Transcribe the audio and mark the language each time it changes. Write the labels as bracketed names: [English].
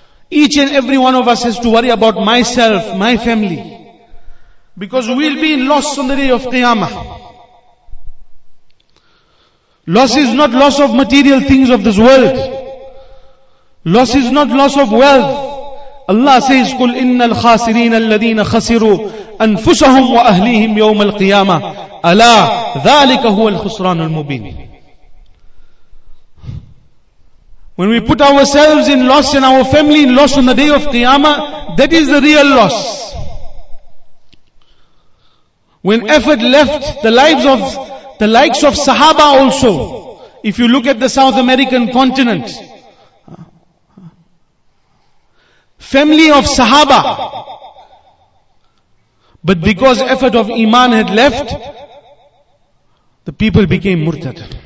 [English] Each and every one of us has to worry about myself, my family, because we'll be lost on the day of Qiyamah. Loss is not loss of material things of this world. Loss is not loss of wealth. Allah says, [Arabic] قُلْ إِنَّ الْخَاسِرِينَ الَّذِينَ خَسِرُوا أَنفُسَهُمْ وَأَهْلِيهِمْ يَوْمَ الْقِيَامَةِ أَلَا ذَلِكَ هُوَ الْخُسْرَانُ الْمُبِينِ. [English] When we put ourselves in loss and our family in loss on the day of Qiyamah, that is the real loss. When effort left the lives of the likes of Sahaba also, if you look at the South American continent, family of Sahaba, but because effort of iman had left, the people became murtad.